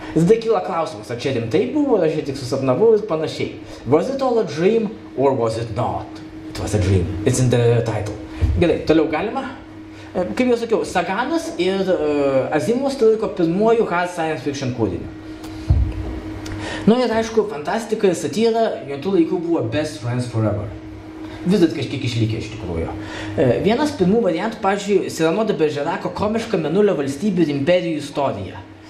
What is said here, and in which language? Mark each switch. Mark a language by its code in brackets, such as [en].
[lt] Jis da kyla klausimas, ar čia rimtai buvo, ar aš tik susapnavau ir panašiai. [en] Was it all a dream or was it not? It was a dream. It's in the title. [lt] Gerai, toliau galima. Kaip jau sakiau, Saganas ir Azimovas tai laiko pirmuoju hard science fiction kūriniu. Nu ir aišku, fantastika ir satyra jo tų laikų buvo [en] best friends forever. [lt] Vis dar kažkiek išlikė iš tikrųjų. Vienas pirmų variantų, pavyzdžiui, Cyrano de Bergerako komiška mėnulio valstybių ir imperijų istorija.